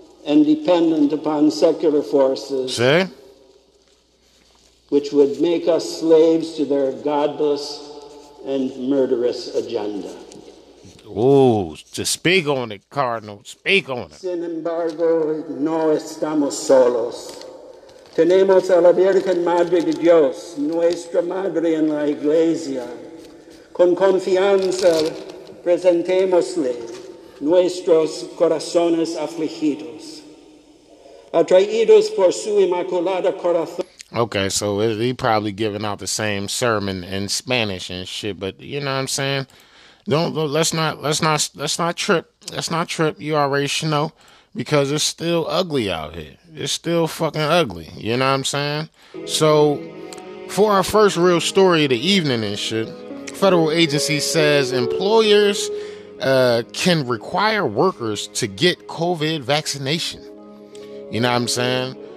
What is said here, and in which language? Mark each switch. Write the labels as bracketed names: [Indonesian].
[English] And dependent upon secular forces. See? Which would make us slaves to their godless and murderous agenda. Ooh, to speak on it, Cardinal, speak on it. [Spanish] Sin embargo, no estamos solos. Tenemos a la Virgen Madre de Dios, nuestra madre en la iglesia. Con confianza presentémosle nuestros corazones afligidos. Atraídos por su inmaculada corazón. [English] Okay, so he probably giving out the same sermon in Spanish and shit, but you know what I'm saying? Let's not trip. Let's not trip. You already know, because it's still ugly out here. It's still fucking ugly. You know what I'm saying? So, for our first real story of the evening and shit, federal agency says employers can require workers to get COVID vaccination. You know what I'm saying?